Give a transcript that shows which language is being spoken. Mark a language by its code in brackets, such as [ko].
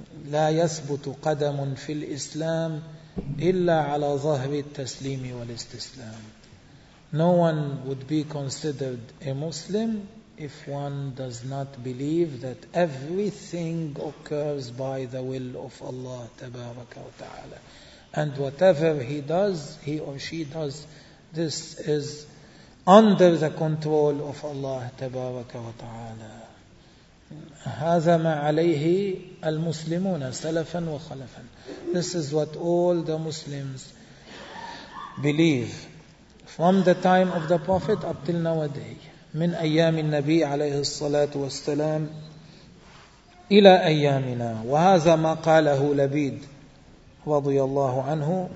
[ar] لا يثبت قدم في الإسلام إلا على ظهر التسليم والاستسلام. [en] No one would be considered a Muslim if one does not believe that everything occurs by the will of Allah [ar] تبارك وتعالى. [en] And whatever he does, he or she does, this is under the control of Allah [ar] تبارك وتعالى. هذا ما عليه المسلمون سلفا وخلفا. [en] This is what all the Muslims believe from the time of the Prophet up till nowadays. [ar] من أيام النبي عليه الصلاة والسلام إلى أيامنا. وهذا ما قاله لبيد رضي الله عنه.